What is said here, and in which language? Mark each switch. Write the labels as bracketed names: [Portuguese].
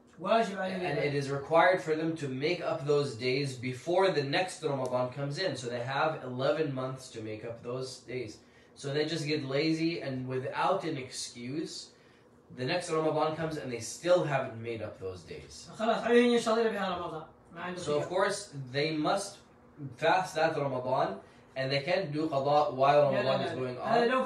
[Arabic] واجب عليهم. [English] And it is required for them to make up those days before the next Ramadan comes in. So they have 11 months to make up those days. So they just get lazy and without an excuse, the next Ramadan comes and they still haven't made up those days. [Arabic] خلاص عليهم إن شاء الله بها رمضان. [English] So of course they must fast that Ramadan. And they can't do qada while Ramadan is going on.